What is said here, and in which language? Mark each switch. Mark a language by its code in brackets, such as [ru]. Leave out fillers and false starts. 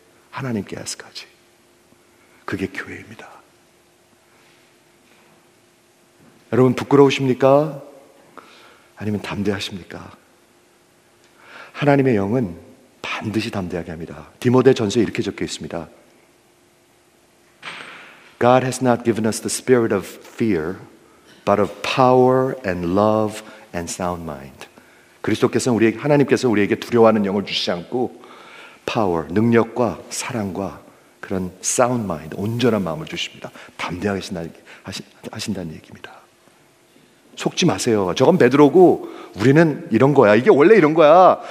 [ko] 하나님께 아스까지. 그게 교회입니다. 여러분 부끄러우십니까? 아니면 담대하십니까? 하나님의 영은 반드시 담대하게 합니다. 디모데 전서에 이렇게 적혀 있습니다. [en] God has not given us the spirit of fear, but of power and love and sound mind. [ko] 그리스도께서는 우리에게, 하나님께서 우리에게 두려워하는 영을 주시지 않고 power, 능력과 사랑과 그런 sound mind, 온전한 마음을 주십니다. 담대하게 하신다는 얘기입니다. 속지 마세요. 저건 베드로고 우리는 이런 거야. 이게 원래 이런 거야.